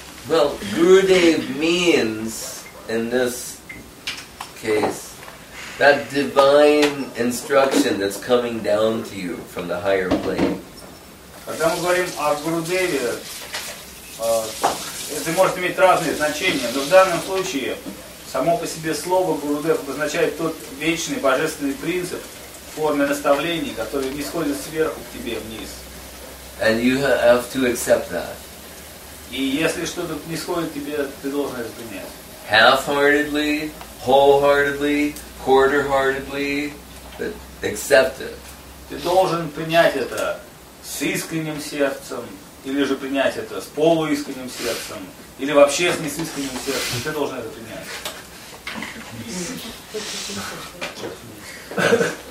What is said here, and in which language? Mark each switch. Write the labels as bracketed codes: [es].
[en] Well, Gurudev means, in this case, that divine instruction that's coming down to you from the higher plane. [ru] Когда мы говорим о Гурудеве, это может иметь разные значения, но в данном случае само по себе слово Гурудев обозначает тот вечный божественный принцип в форме наставлений, который исходит сверху к тебе вниз. [en] And you have to accept that. [ru] И если что-то исходит тебе, ты должен это принять. [en] Half-heartedly, wholeheartedly, quarter-heartedly, but accept it. [ru] Ты должен принять это с искренним сердцем, или же принять это с полуискренним сердцем, или вообще с неискренним сердцем, ты должен это принять.